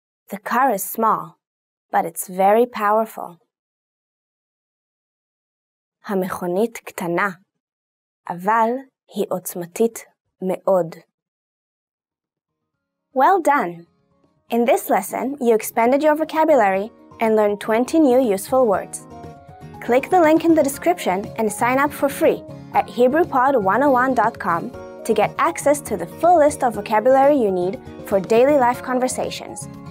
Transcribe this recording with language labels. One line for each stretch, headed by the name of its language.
English: The car is small, but it's very powerful.
Hebrew: המכונית קטנה, אבל היא עוצמתית מאוד.
English: Well done! In this lesson, you expanded your vocabulary and learned 20 new useful words. Click the link in the description and sign up for free at HebrewPod101.com to get access to the full list of vocabulary you need for daily life conversations.